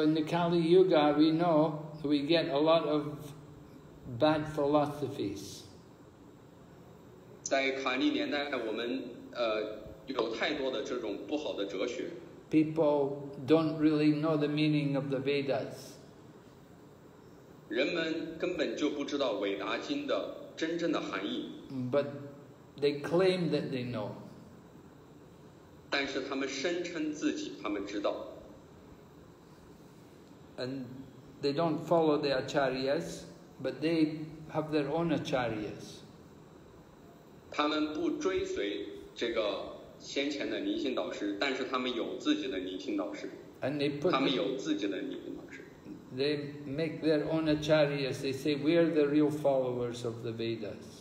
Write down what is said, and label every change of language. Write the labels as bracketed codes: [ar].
[en] in the Kali Yuga, we know we get a lot of bad philosophies. [zh] 在卡利年代，我们有太多的这种不好的哲学。 [en] People don't really know the meaning of the Vedas. [zh] 人们根本就不知道伟达经的真正的含义。 [en] But they claim that they know. [zh] 但是他们声称自己他们知道。 [en] And they don't follow the acharyas, but they have their own acharyas. [zh] 他们不追随这个。先前的灵性导师，但是他们有自己的灵性导师， [en] and they put them, they make their own acharyas. They say we are the real followers of the Vedas.